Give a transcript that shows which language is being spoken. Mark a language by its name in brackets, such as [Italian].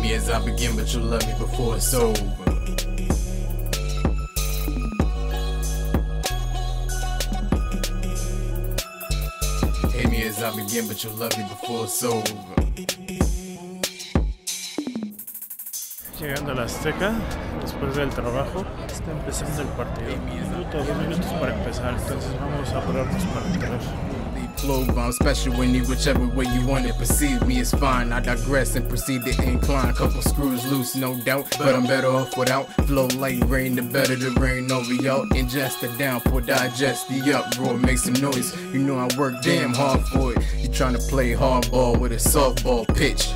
[English] I begin, but you love me before it's over. Hate me as I begin, but you love me before it's over. [Spanish] Llegando a la Azteca, después del trabajo, está empezando el partido. Dos minutos para empezar, entonces vamos a apurarnos para entrar. [English] Flow bomb, special when you, whichever way you want it. Perceive me as fine, I digress and proceed to incline. Couple screws loose, no doubt, but I'm better off without. Flow like rain, the better the rain over y'all. Ingest the downpour, digest the uproar, make some noise. You know I work damn hard for it. You tryna play hardball with a softball pitch.